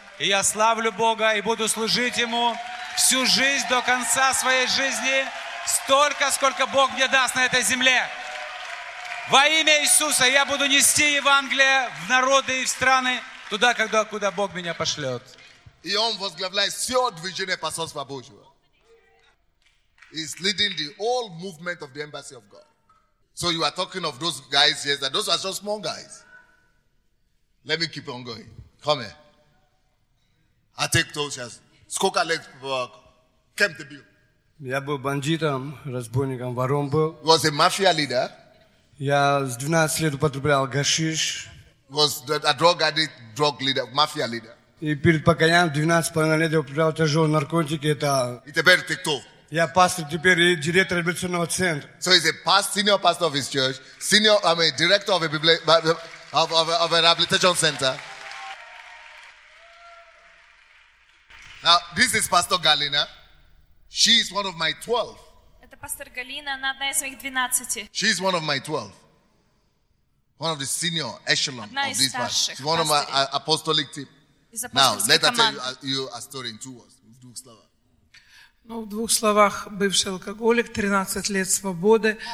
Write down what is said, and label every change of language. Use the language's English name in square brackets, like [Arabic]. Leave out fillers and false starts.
[Russian] И я славлю Бога и буду служить Ему всю жизнь до конца своей жизни. Столько, сколько Бог мне даст на этой земле. Во имя Иисуса я буду нести Евангелие в народы и в страны, туда, куда Бог меня пошлет. И Он возглавляет все движение посольства Божьего. [English] Is leading the whole movement of the embassy of God. So you are talking of those guys here, that those are just small guys. Let me keep on going. Come here. I take those as [Russian] сколько лет [English] came to bill. [Russian] Я был бандитом, разбойником, вором был. [English] Was a mafia leader. [Russian] Я с 12 лет употреблял гашиш. [English] Was a drug addict, drug leader, mafia leader. [Russian] И перед покаянием 12,5 лет употреблял тяжелые наркотики. Это. И теперь ты кто? Я пастор теперь и директор библейского центра. [English] So he's a pastor, senior pastor of his church, director of a of a rehabilitation center. Now this is Pastor Galina. She is one of my 12. [Russian] Это пастор Галина, она одна из моих 12. [English] She is one of my 12. One of the senior echelon of this pastor. She's one of my apostolic team. Now let me tell you a story in 2 words. [Russian] Ну, в двух словах, бывший алкоголик, 13 лет свободы.